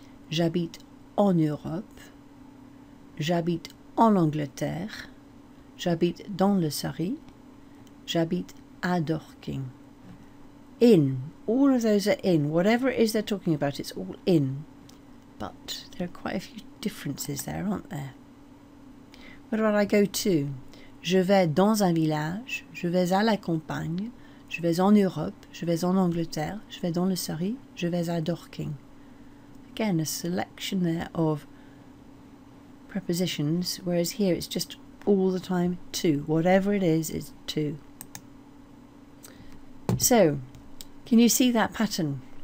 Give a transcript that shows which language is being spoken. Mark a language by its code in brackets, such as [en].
[fr] J'habite en Europe. J'habite en Angleterre. J'habite dans le Surrey. J'habite à Dorking. [en] In. All of those are in. Whatever it is they're talking about, it's all in. But there are quite a few differences there, aren't there? What about I go to? [fr] Je vais dans un village, je vais à la campagne, je vais en Europe, je vais en Angleterre, je vais dans le Surrey, je vais à Dorking. [en] Again, a selection there of prepositions, whereas here it's just all the time to. Whatever it is to. So, can you see that pattern?